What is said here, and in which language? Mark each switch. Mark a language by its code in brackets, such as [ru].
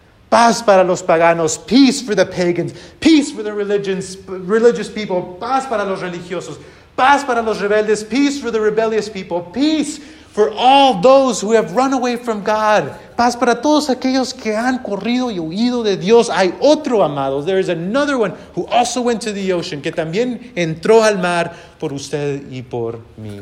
[es] Paz para los paganos. [en] Peace for the pagans. Peace for the religious people. [es] Paz para los religiosos. Paz para los rebeldes. [en] Peace for the rebellious people. Peace for all those who have run away from God. [es] Paz para todos aquellos que han corrido y huido de Dios. Hay otro, amados. [en] There is another one who also went to the ocean. [es] Que también entró al mar por usted y por mí.